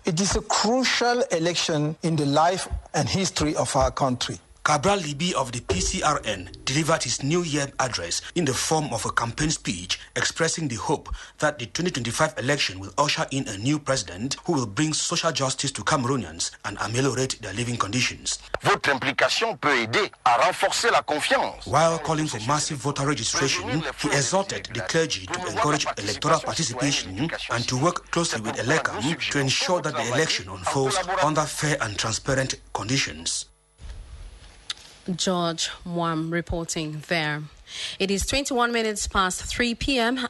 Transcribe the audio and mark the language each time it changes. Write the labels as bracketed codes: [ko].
[en] It is a crucial election in the life and history of our country. Kabra Libi of the PCRN delivered his New Year address in the form of a campaign speech expressing the hope that the 2025 election will usher in a new president who will bring social justice to Cameroonians and ameliorate their living conditions. [fr] Votre implication peut aider à renforcer la confiance. [en] While calling for massive voter registration, he exhorted the clergy to encourage electoral participation and to work closely with ELECAM to ensure that the election unfolds under fair and transparent conditions. George Mwam reporting there. It is 21 minutes past 3 p.m.